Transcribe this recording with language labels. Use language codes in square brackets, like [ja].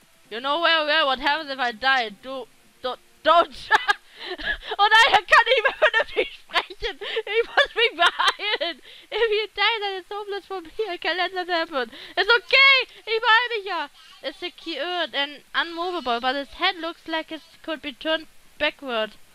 [en] You know where we are. What happens if I die? Don't. [de] Oh nein, er kann nicht mehr vernünftig sprechen. Ich muss mich beeilen. [en] If you die, then it's hopeless for me. I can't let that happen. It's okay. [de] Ich beeil mich ja. [en] It's secured and unmovable, but his head looks like it could be turned backward.